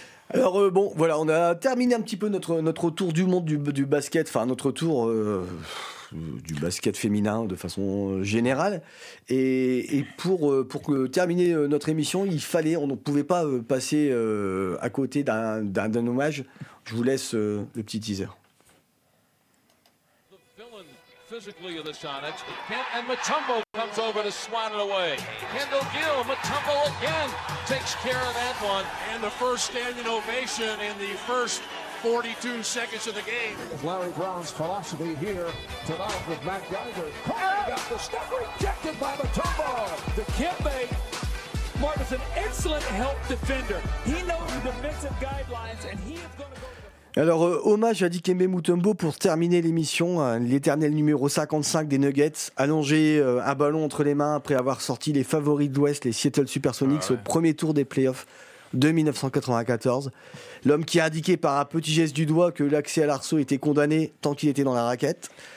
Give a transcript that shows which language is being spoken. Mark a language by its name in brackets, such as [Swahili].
[French] Alors bon, voilà, on a terminé un petit peu notre tour du monde du basket, enfin notre tour du basket féminin de façon générale. Et pour terminer notre émission, on ne pouvait pas passer à côté d'un hommage. Je vous laisse le petit teaser. [English] Physically in the Sonics, and Mutombo comes over to swat it away. Kendall Gill, Mutombo again, takes care of that one. And the first standing ovation in the first 42 seconds of the game. Larry Brown's philosophy here tonight with Matt Geiger. Carter got the step rejected by Mutombo. The Kimbe, Mark is an excellent help defender. He knows the defensive guidelines, and he is going to go... [French] Alors, hommage à Dikembe Mutombo pour terminer l'émission. L'éternel numéro 55 des Nuggets, allongé à ballon entre les mains après avoir sorti les favoris de l'Ouest, les Seattle Supersonics, au premier tour des playoffs de 1994. L'homme qui a indiqué par un petit geste du doigt que l'accès à l'arceau était condamné tant qu'il était dans la raquette.